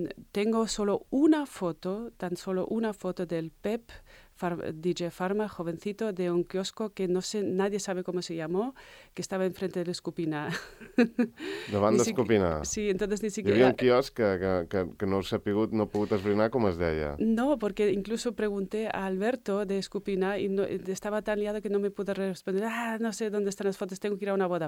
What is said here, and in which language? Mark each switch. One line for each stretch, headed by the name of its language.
Spanish: Tengo solo una foto, tan solo una foto del Pep, DJ Pharma, jovencito, de un kiosco que no sé, nadie sabe cómo se llamó, que estaba enfrente de Escopina.
Catalan: Davant d'Escopina.
Spanish: Sí, entonces ni siquiera...
Catalan: Hi havia un kiosc que no s'ha pogut, no ha pogut esbrinar com es deia.
Spanish: No, porque incluso pregunté a Alberto de Escopina y no, estaba tan liado que no me pude responder. Ah, no sé dónde están las fotos, tengo que ir a una boda.